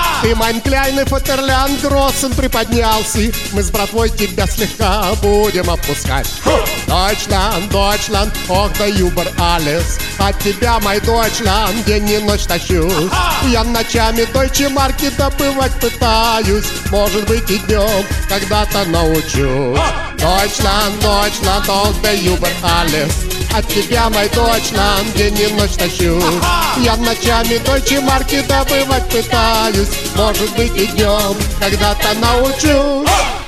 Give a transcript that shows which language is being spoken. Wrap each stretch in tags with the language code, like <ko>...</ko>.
<ru>Ты, мой</ru> <de>кляйный Фатерлян, гроссен</de> <ru>приподнялся. Мы с братвой тебя слегка будем опускать.</ru> <de>Deutschland, Deutschland,</de> <ru>ох да</ru> <de>юбер алес.</de> <ru>От тебя, мой Deutschland, день и ночь тащусь. Я ночами Deutsche Mark добывать пытаюсь. Может быть и днем когда-то научусь.</ru> <de>Deutschland, Deutschland, auf der Uber alles.</de> <ru>От тебя, мой Deutschland, день и ночь тащусь. Я ночами Deutsche Mark добывать пытаюсь. Может быть и днем когда-то научусь.</ru>